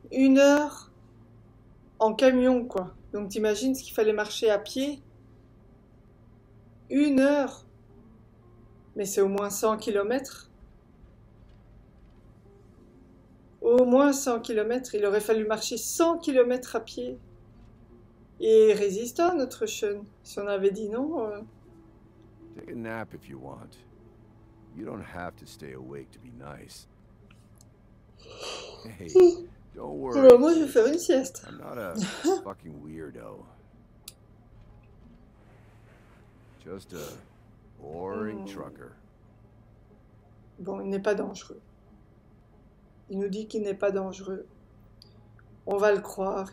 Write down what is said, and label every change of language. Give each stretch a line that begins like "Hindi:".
French: Une heure en camion, quoi. Donc t'imagines ce qu'il fallait marcher à pied. Une heure. Mais c'est au moins 100 km. Au moins 100 km. Il aurait fallu marcher 100 km à pied. Et résistant, notre Sean. Si on avait dit non...
English: Take a nap if you want. You don't have to stay awake to be nice. Hey, don't worry.
French: Bon, moi, je vais faire une sieste.
English: I'm not a fucking weirdo. Just a boring trucker.
French: Bon, il n'est pas dangereux. Il nous dit qu'il n'est pas dangereux. On va le croire.